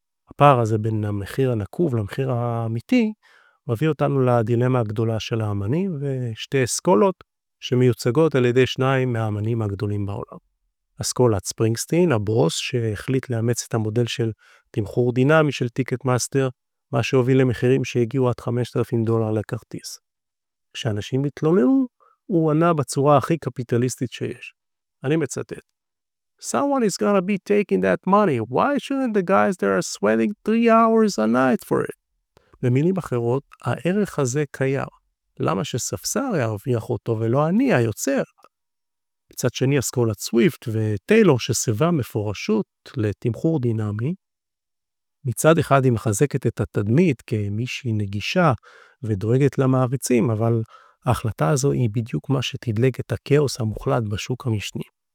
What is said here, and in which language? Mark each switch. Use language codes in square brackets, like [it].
[he] הפער הזה בין המחיר הנקוב למחיר האמיתי מביא אותנו לדילמה הגדולה של האמנים ושתי אסכולות שמיוצגות על ידי שניים מהאמנים הגדולים בעולם. אסכולת ספרינגסטין, הברוס שהחליט לאמץ את המודל של תמחור דינמי של טיקט מאסטר, מה שהוביל למחירים שהגיעו עד $5,000 לכרטיס. כשאנשים התלוננו, הוא ענה בצורה הכי קפיטליסטית שיש. אני מצטט. [en] Someone is gonna be taking that money. Why shouldn't the guys that are sweating 3 hours a night for it? [he] במילים אחרות, הערך הזה קיים. למה שספסר ירוויח אותו ולא אני היוצר? מצד שני, אסכולת סוויפט וטיילור שסיבה מפורשות לתמחור דינמי, מצד אחד היא מחזקת את התדמית כמישהי נגישה ודואגת למעריצים, אבל ההחלטה הזו היא בדיוק מה שתדלג את הכאוס המוחלט בשוק המשני.